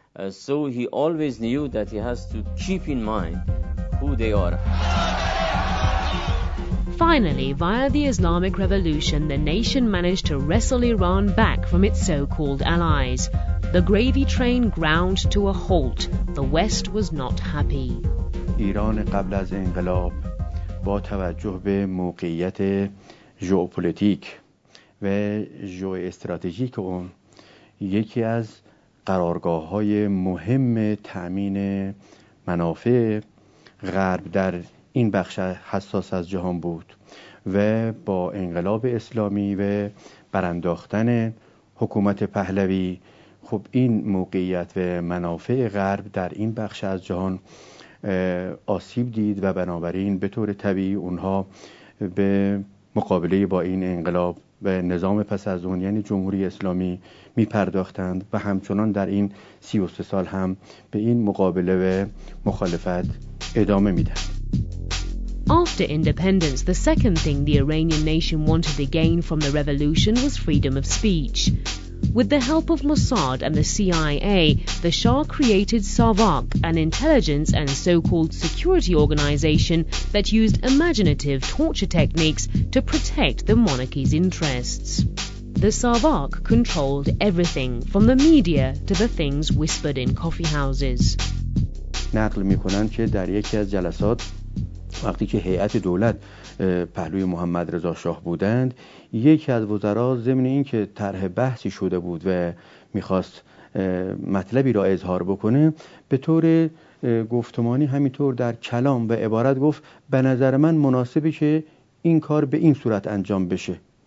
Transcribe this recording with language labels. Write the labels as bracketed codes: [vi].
[en] So he always knew that he has to keep in mind who they are. Finally, via the Islamic Revolution, the nation managed to wrestle Iran back from its so-called allies. The gravy train ground to a halt. The West was not happy. [fa] Iran قبل از انقلاب با توجه به موقعیت ژئوپلیتیک و ژئواستراتژیک اون یکی از قرارگاه‌های مهم تأمین منافع غرب در این بخش حساس از جهان بود و با انقلاب اسلامی و برانداختن حکومت پهلوی خب این موقعیت و منافع غرب در این بخش از جهان آسیب دید و بنابراین به طور طبیعی اونها به مقابله با این انقلاب و نظام پس از اون یعنی جمهوری اسلامی می پرداختند و همچنان در این 33 سال هم به این مقابله و مخالفت ادامه می دهند. [en] After independence, the second thing the Iranian nation wanted to gain from the revolution was freedom of speech. With the help of Mossad and the CIA, the Shah created SAVAK, an intelligence and so-called security organization that used imaginative torture techniques to protect the monarchy's interests. The SAVAK controlled everything, from the media to the things whispered in coffee houses. [fa] نقل می‌کنند که در یکی از جلسات وقتی که هیئت دولت پهلوی محمد رضا شاه بودند، یکی از وزرا ضمن این که طرح بحثی شده بود و می‌خواست مطلبی را اظهار بکنه، به طور گفتمانی همینطور در کلام و عبارت گفت: به نظر من مناسبه که این کار به این صورت انجام بشه.